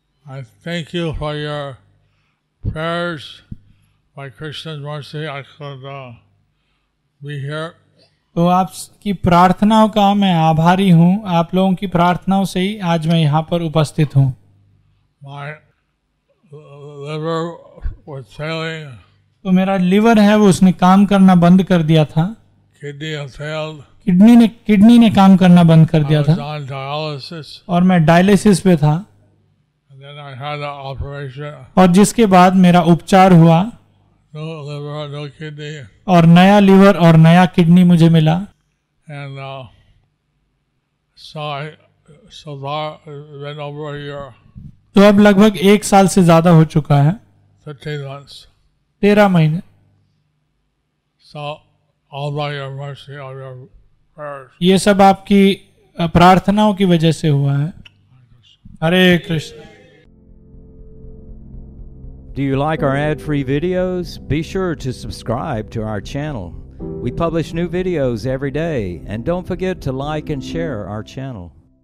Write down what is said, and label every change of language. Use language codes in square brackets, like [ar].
[en] I thank you for your prayers. By Krishna's mercy, I could be here. [hi] तो आपकी प्रार्थनाओं का मैं आभारी हूँ. आप लोगों की प्रार्थनाओं से ही आज मैं यहाँ पर उपस्थित हूँ. [en] My liver was failing. [hi] तो मेरा लिवर है वो उसने काम करना बंद कर दिया था. किडनी ने काम करना बंद कर दिया था. [en] dialysis, [hi] और मैं डायलिसिस पे था. [en] and then I had an operation, [hi] और जिसके बाद मेरा उपचार हुआ. [en] no liver, no kidney, [hi] और नया लिवर और नया किडनी मुझे मिला. [en] and, so over a year, [hi] तो अब लगभग एक साल से ज्यादा हो चुका है. [en] 13 months. [hi] 13 महीने. [en] All by your mercy, all your prayers. [hi] ये सब आपकी प्रार्थनाओं की वजह से हुआ है. हरे Krishna. [en] Do you like our ad-free videos? Be sure to subscribe to our channel. We publish new videos every day, and don't forget to like and share our channel.